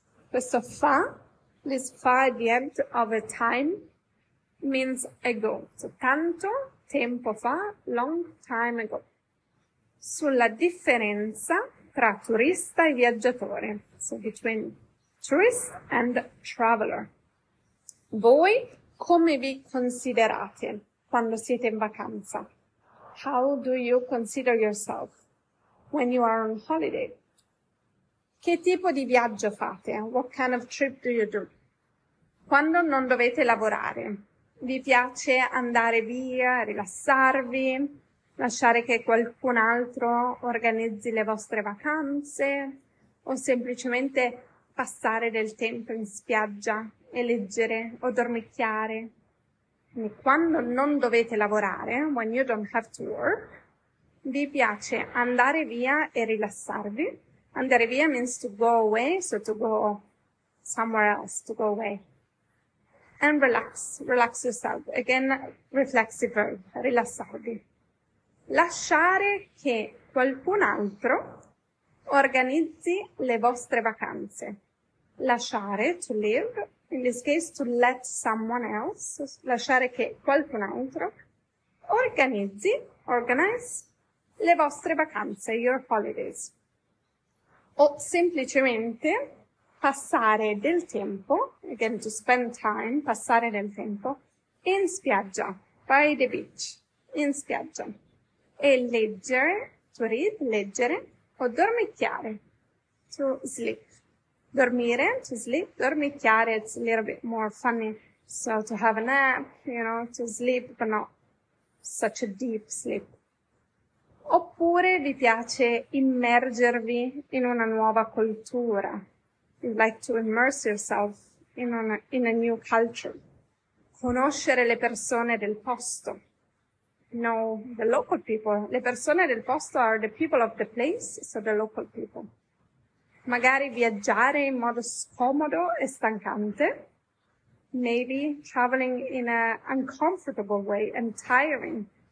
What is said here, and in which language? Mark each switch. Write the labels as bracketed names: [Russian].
[Italian] Questo fa, [English] this fa at the end of a time, means ago, so [Italian] tanto tempo fa, [English] long time ago. [Italian] Sulla differenza tra turista e viaggiatore, [English] so between tourist and traveler. [Italian] Voi come vi considerate quando siete in vacanza? [English] How do you consider yourself when you are on holiday? [Italian] Che tipo di viaggio fate? [English] What kind of trip do you do? [Italian] Quando non dovete lavorare, vi piace andare via, rilassarvi? Lasciare che qualcun altro organizzi le vostre vacanze o semplicemente passare del tempo in spiaggia e leggere o dormicchiare. Quindi quando non dovete lavorare, [English] when you don't have to work, [Italian] vi piace andare via e rilassarvi. Andare via [English] means to go away, so to go somewhere else, to go away. And relax, relax yourself. Again, reflexive verb, rilassarvi. [Italian] Lasciare che qualcun altro organizzi le vostre vacanze. [English] Lasciare, to leave, in this case to let someone else, [Italian] lasciare che qualcun altro organizzi, [English] organize [Italian] le vostre vacanze, [English] your holidays. [Italian] O semplicemente passare del tempo, [English] again to spend time, [Italian] passare del tempo, in spiaggia, [English] by the beach, [Italian] in spiaggia. E leggere, [English] to read, [Italian] leggere, o dormicchiare, [English] to sleep. Dormire, to sleep, dormicchiare, it's a little bit more funny. So to have a nap, you know, to sleep, but not such a deep sleep. [Italian] Oppure vi piace immergervi in una nuova cultura. [English] You like to immerse yourself in a new culture. [Italian] Conoscere le persone del posto. No, [English] the local people. [Italian] Le persone del posto [English] are the people of the place, so the local people. [Italian] Magari viaggiare in modo scomodo e stancante. [English] Maybe traveling in an uncomfortable way and tiring.